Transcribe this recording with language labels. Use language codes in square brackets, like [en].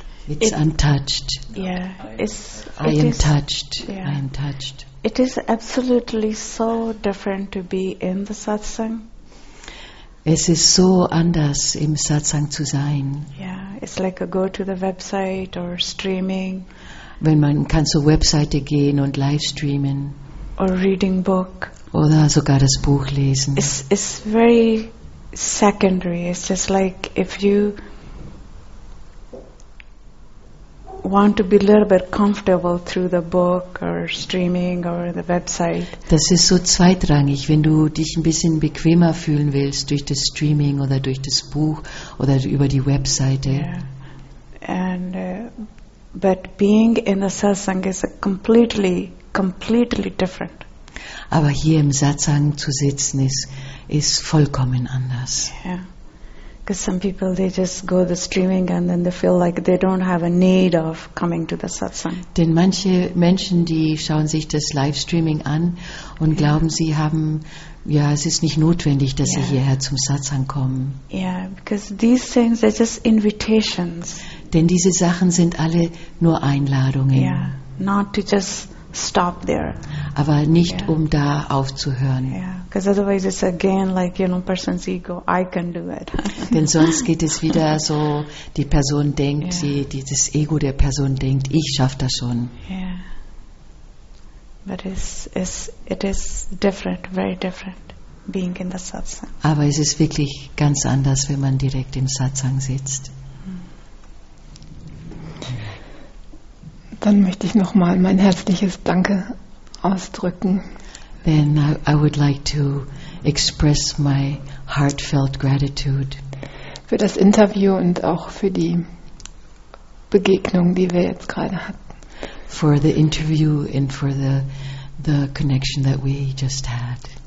[en] It's untouched. Yeah, it's. I am touched. Yeah. I am touched. It is absolutely so different to be in the satsang. [de] Es ist so anders, im Satsang zu sein. [en] Yeah, it's like a go to the website or streaming. [de] Wenn man kann zur Webseite gehen und live streamen. [en] Or reading book. [de] Oder sogar das Buch lesen. [en] It's very secondary. It's just like if you want to be a little bit comfortable through the book or streaming or the website. [de] Das ist so zweitrangig, wenn du dich ein bisschen bequemer fühlen willst durch das Streaming oder durch das Buch oder über die Webseite. Yeah. [en] And but being in the satsang is a completely different. [de] Aber hier im Satsang zu sitzen ist vollkommen anders. Yeah. [en] Because some people, they just go the streaming and then they feel like they don't have a need of coming to the satsang. [de] Denn manche Menschen, die schauen sich das Livestreaming an und glauben, sie haben, ja, es ist nicht notwendig, dass sie hierher zum Satsang kommen. [en] Yeah, because these things are just invitations. [de] Denn diese Sachen sind alle nur Einladungen. [en] Yeah, not to just stop there. [de] Aber nicht yeah. um da aufzuhören. [en] Yeah, because otherwise it's again like, you know, person's ego, I can do it. [de] Denn sonst geht es wieder so, die Person denkt, yeah. Das Ego der Person denkt, ich schaff das schon. Yeah. [en] But it is different, very different being in the satsang. [de] Aber es ist wirklich ganz anders, wenn man direkt im Satsang sitzt. Dann möchte ich nochmal mein herzliches Danke ausdrücken. [en] Then I would like to express my heartfelt gratitude [de] für das Interview und auch für die Begegnung, die wir jetzt gerade hatten. [en] For the interview and for the connection that we just had.